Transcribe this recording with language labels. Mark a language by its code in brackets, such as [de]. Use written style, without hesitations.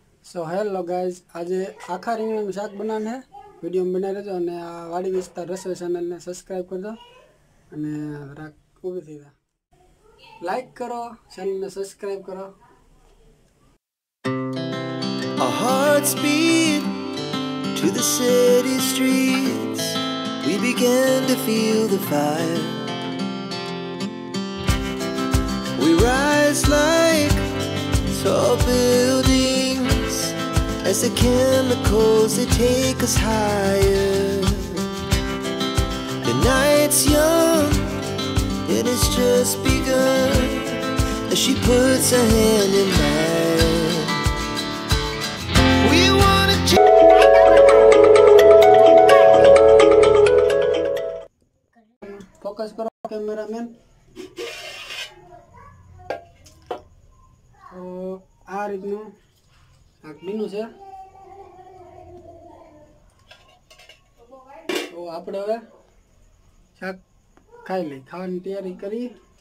[gu] So hello guys, આજે આખા રીંગણાનું શાક બનાવવાનું છે. વિડીયો બનાવી લેજો અને આ વાડી વિસ્તાર રસોઈ ચેનલને સબસ્ક્રાઈબ કરજો અને ઊભી થઈ જા, લાઈક કરો, ચેનલને સબસ્ક્રાઈબ કરો. [en] A heart speed to the city streets, we began to feel the fire. We rise like tall buildings as the chemicals they take us higher. The night's young, it has just begun as she puts her hand in mine. We wanna focus on the camera, man. [gu] So, આ રીતનું શાક બીનું છે. તો આપણે હવે શાક ખાઈ લઈ, ખાવાની તૈયારી કરી.